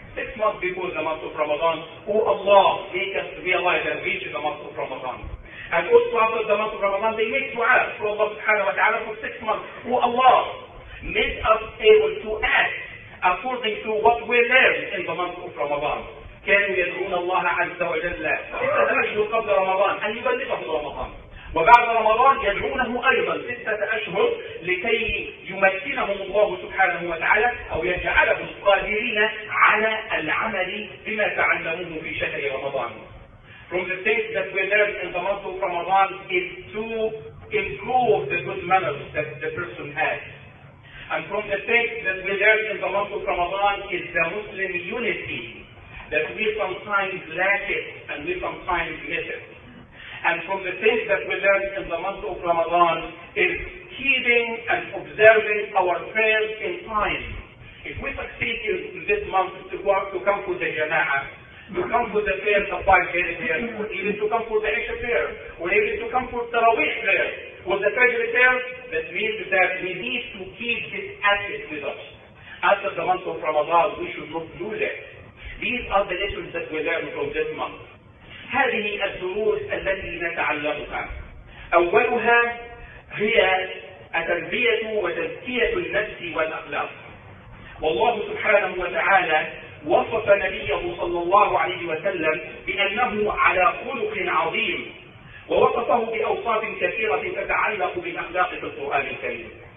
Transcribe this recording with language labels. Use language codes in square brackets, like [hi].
[en] 6 months before the month of Ramadan, O Allah, make us realize and reach the month of Ramadan. And also after the month of Ramadan, they make dua to Allah subhanahu wa ta'ala for 6 months. O Allah, make us able to act according to what we learn in the month of Ramadan. [ar] كانوا يدعون الله عز وجل ستة أشهر قبل رمضان أن يبلغه رمضان وبعد رمضان يدعونه أيضا 6 أشهر لكي يمكنهم الله سبحانه وتعالى أو يجعلهم قادرين على العمل بما تعلموه في شهر رمضان. [en] From the things that we learn in the month of Ramadan is to improve the good manners that the person has. And from the things that we learn in the month of Ramadan is the Muslim unity that we sometimes lack it and we sometimes miss it. And from the things that we learn in the month of Ramadan is heeding and observing our prayers in time. If we succeed in this month to come for the jama'ah, to come for the prayers of 5 days prayer, even to come for the Isha prayer, or even to come for the Tarawih prayer, or the Fajr prayer, that means that we need to keep this asset with us. After the month of Ramadan, we should not lose it. These are the lessons that we learn from this month. [ar] هذه الدروس التي نتعلمها. أولها هي التربية وتزكية النفس والأخلاق. والله سبحانه وتعالى وصف نبيه صلى الله عليه وسلم بأنه على خلق عظيم ووصفه بأوصاف كثيرة تتعلق بالأخلاق في القرآن الكريم.